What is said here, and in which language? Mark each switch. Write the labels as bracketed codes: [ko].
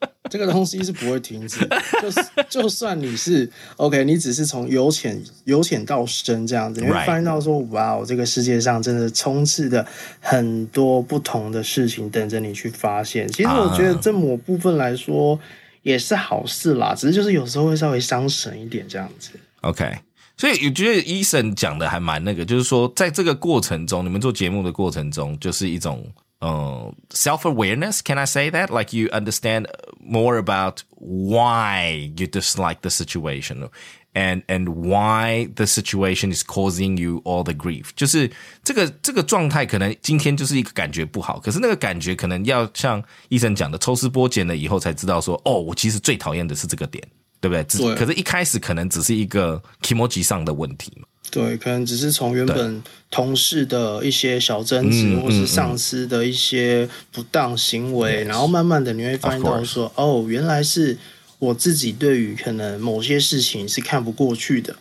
[zh] 这个东西是不会停止的，就算你是 OK， 你只是从由浅到深这样子，你会发现到说，哇哦，这个世界上真的充斥着很多不同的事情等着你去发现。其实我觉得这某部分来说也是好事啦，只是就是有时候会稍微伤神一点这样子。 OK， 所以我觉得 Ethan 讲的还蛮那个，就是说在这个过程中，你们做节目的过程中，就是一种。 [en] Self-awareness, can I say that? Like you understand more about why you dislike the situation and why the situation is causing you all the grief. [zh] 就是这个状态可能今天就是一个感觉不好，可是那个感觉可能要像医生讲的抽丝剥茧了以后才知道说，哦，我其实最讨厌的是这个点，对不 对？对，可是一开始可能只是一个 kimoji 上的问题嘛。对，可能只是从原本同事的一些小争执，或是上司的一些不当行为，然后慢慢的你会发现到说，哦，原来是我自己对于可能某些事情是看不过去的，